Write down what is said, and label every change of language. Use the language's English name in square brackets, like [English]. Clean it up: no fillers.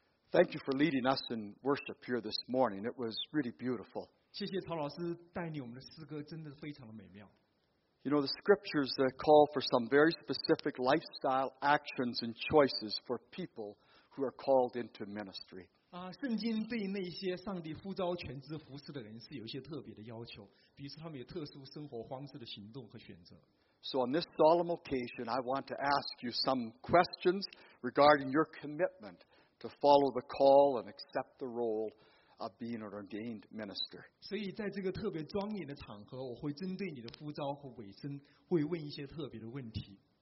[English] Thank you for leading us in worship here this morning. It was really beautiful. You know, the scriptures call for some very specific lifestyle actions and choices for people who are called into ministry. [Chinese] 圣经对那些上帝呼召全职服事的人是有一些特别的要求，比如说他们有特殊生活方式的行动和选择。 [English] So on this solemn occasion, I want to ask you some questions regarding your commitment to follow the call and accept the role of being an ordained minister. [Chinese] 所以在这个特别庄严的场合，我会针对你的呼召和委身，会问一些特别的问题。